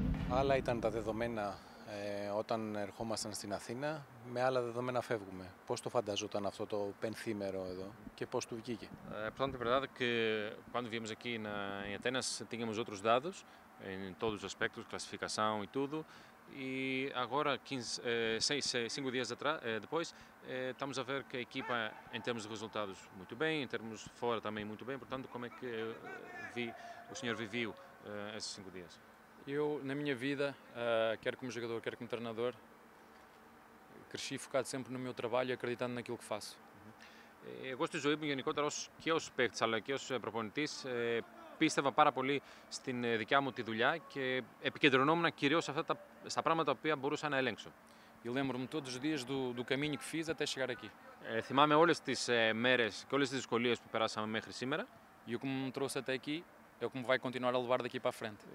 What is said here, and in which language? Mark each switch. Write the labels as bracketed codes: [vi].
[el] Άλλα ήταν τα δεδομένα όταν ερχόμασταν στην Αθήνα, με άλλα δεδομένα φεύγουμε. Πώς το φανταζόταν αυτό το πενθήμερο εδώ και πώς του βγήκε? [pt] Portanto, é verdade que quando viemos aqui em Atenas tínhamos outros dados em todos os aspectos, classificação e tudo. E agora, 5 dias atrás, depois, estamos a ver que a equipa, em termos de resultados, muito bem, em termos de fora também muito bem. Portanto, como é que o senhor viveu esses 5 dias? Eu, na minha vida, quer como jogador, quer como treinador, cresci focado sempre no meu trabalho e acreditando naquilo que faço. [el] Εγώ στη ζωή μου γενικότερα ως και ως παίκτης αλλά και ως προπονητής πίστευα πάρα πολύ στην δικιά μου τη δουλειά και επικεντρωνόμουν κυρίως σε αυτά στα πράγματα που μπορούσα να ελέγξω. [pt] E lembro-me todos os dias do caminho que fiz até chegar aqui. [el] Θυμάμαι όλες τις μέρες και όλες τις δυσκολίες που περάσαμε μέχρι σήμερα. [pt] E o que me trouxe até aqui é o que me vai continuar a levar daqui para a frente.